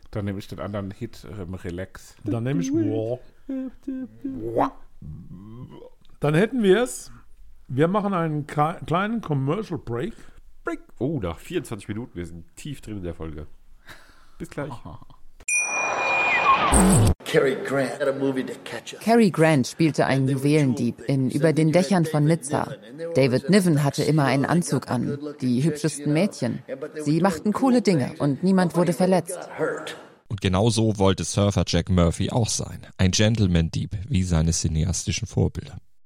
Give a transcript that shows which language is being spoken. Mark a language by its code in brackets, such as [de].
[de] Dann nehme ich den anderen Hit, Relax. Dann nehme ich War. Dann hätten wir es. Wir machen einen kleinen Commercial Break. Break. Oh, nach 24 Minuten. Wir sind tief drin in der Folge. Bis gleich. Aha. [en] Cary Grant had a movie to catch up. [de] Cary Grant spielte einen Juwelendieb in Über den Dächern von Nizza. David Niven hatte immer einen Anzug an. Die hübschesten Mädchen. Sie machten coole Dinge und niemand wurde verletzt. Und genau so wollte Surfer Jack Murphy auch sein. Ein Gentleman-Dieb, wie seine cineastischen Vorbilder.